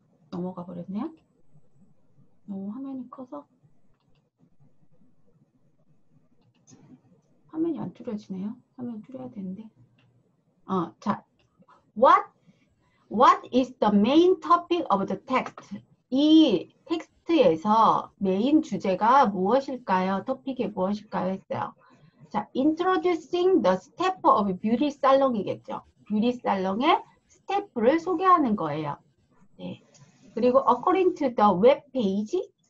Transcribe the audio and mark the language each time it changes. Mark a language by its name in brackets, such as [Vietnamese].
[Korean] 넘어가 버렸네요. 너무 화면이 커서 화면이 안 줄여지네요. 화면 줄여야 되는데. [English] 자, what is the main topic of the text? [Korean] 이 텍스트에서 메인 주제가 무엇일까요? 토픽이 무엇일까요? 했어요. 자, [English] introducing the step of beauty salon [Korean] 이겠죠. beauty salon의 step를 소개하는 거예요. 네. 그리고 [English] according to the web page,